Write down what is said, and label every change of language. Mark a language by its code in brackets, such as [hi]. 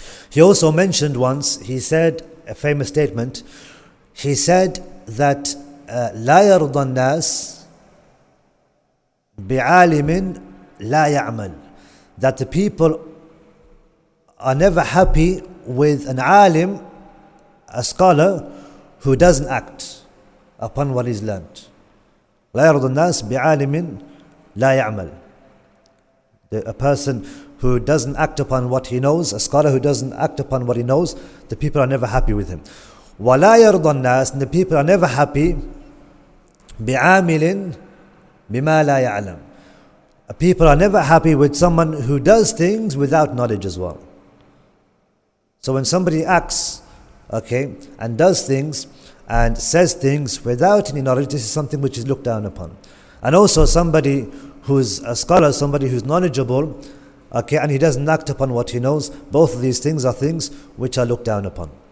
[en] He also mentioned once, he said a famous statement, he said that [ar] لا يرضى الناس بعالم لا يعمل, [en] that the people are never happy with an alim, a scholar, who doesn't act upon what he's learned. [ar] لا يرضى الناس بعالم لا يعمل. [en] A person who doesn't act upon what he knows, a scholar who doesn't act upon what he knows, the people are never happy with him. [ar] ولا يرضى الناس, [en] and the people are never happy, [ar] بعامل بما لا يعلم. [en] People are never happy with someone who does things without knowledge as well. So when somebody acts, okay, and does things and says things without any knowledge, this is something which is looked down upon. And also somebody who's a scholar, somebody who's knowledgeable, okay, and he doesn't act upon what he knows, both of these things are things which are looked down upon.